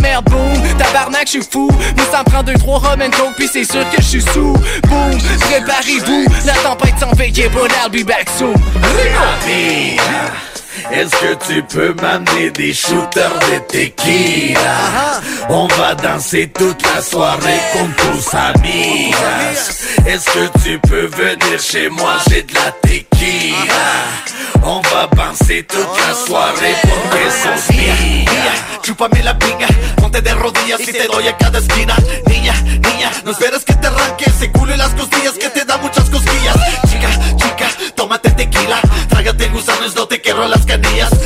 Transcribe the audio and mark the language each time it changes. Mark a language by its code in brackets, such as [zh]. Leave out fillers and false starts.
[fr] Merde, boom, tabarnak, j'suis fou. Nous ça me prend 2-3 [en] rum and coke, [fr] pis c'est sûr que j'suis sous. Boom, préparez-vous, la tempête s'en veille. [en] Yeah, but I'll be back soon. [fr] Rihami, est-ce que tu peux m'amener des shooters de tequila? On va danser toute la soirée [es] con tus amigas. [fr] Est-ce que tu peux venir chez moi? J'ai de la tequila. On va danser toute la soirée [es] con esos días. Chúpame la pinga, ponte de rodillas y te doy a cada esquina. Niña, niña, no esperes que te arranque ese culo y las costillas que te da muchas cosquillas. Chica, chica, tómate tequila. Trágate gusanos, no te quiero las canillas.